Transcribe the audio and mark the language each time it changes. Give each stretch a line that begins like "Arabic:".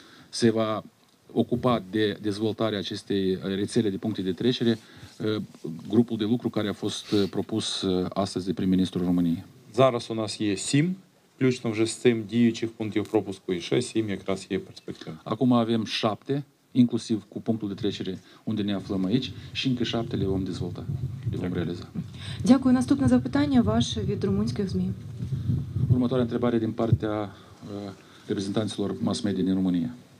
Romanian: Se va ocupa de dezvoltarea acestei rețele de puncte de trecere grupul de lucru care a fost propus astăzi de prim-ministrul României.
Ukrainian: Зараз у нас є 7, включно вже з цим діючих пунктів пропуску, і ще 7 якраз є перспектива.
Romanian: Acum avem 7, inclusiv cu punctul de trecere unde ne aflăm aici, și încă 7 le vom dezvolta, le vom realiza.
Ukrainian: Дякую. Наступне запитання ваше від румунських ЗМІ.
Romanian: Următoarea întrebare din partea reprezentanților mass-media din România.